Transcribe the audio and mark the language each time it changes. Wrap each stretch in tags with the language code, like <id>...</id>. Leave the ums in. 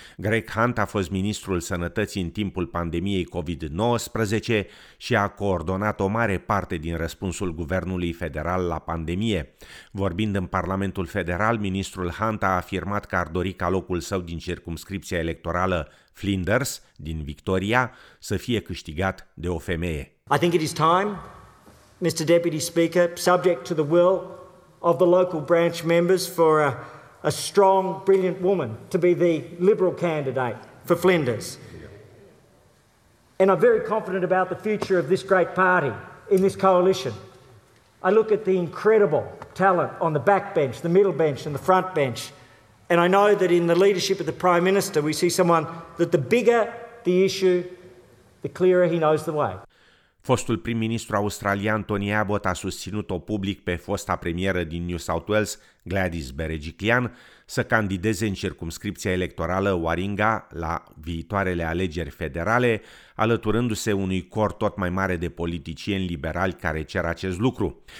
<ro>Greg Hunt a fost ministrul sănătății în timpul pandemiei COVID-19 și a coordonat o mare parte din răspunsul guvernului federal la pandemie. Vorbind în Parlamentul federal, ministrul Hunt a afirmat că ar dori ca locul său din circumscripția electorală Flinders, din Victoria, să fie câștigat de o femeie.</ro> <en>I think it is time Mr. Deputy Speaker, subject to the will of the local branch members, for a, a strong, brilliant woman to be the Liberal candidate for Flinders. Yeah. And I'm very confident about the future of this great party in this coalition. I look at the incredible talent on the back bench, the middle bench, and the front bench. And I know that in the leadership of the Prime Minister, we see someone that the bigger the issue, the clearer he knows the way.</en> <ro>Fostul prim-ministru australian Tony Abbott a susținut-o public pe fosta premieră din New South Wales, Gladys Berejiklian, să candideze în circumscripția electorală Waringa la viitoarele alegeri federale, alăturându-se unui cor tot mai mare de politicieni liberali care cer acest lucru.</ro>